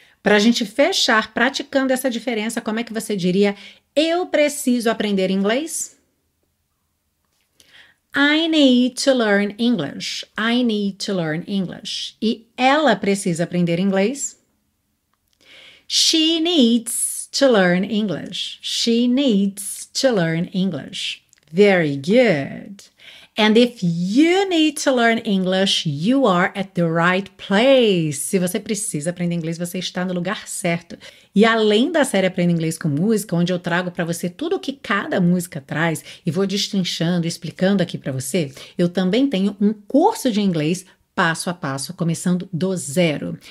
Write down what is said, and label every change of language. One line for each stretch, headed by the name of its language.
Portuguese: Para a gente fechar praticando essa diferença, como é que você diria eu preciso aprender inglês?
English: I need to learn English. I need to learn English.
Portuguese: E ela precisa aprender inglês?
English: She needs to learn English. She needs to learn English. Very good. And if you need to learn English, you are at the right place.
Portuguese: Se você precisa aprender inglês, você está no lugar certo. E além da série Aprenda Inglês com Música, onde eu trago para você tudo o que cada música traz e vou destrinchando, explicando aqui para você, eu também tenho um curso de inglês passo a passo, começando do zero.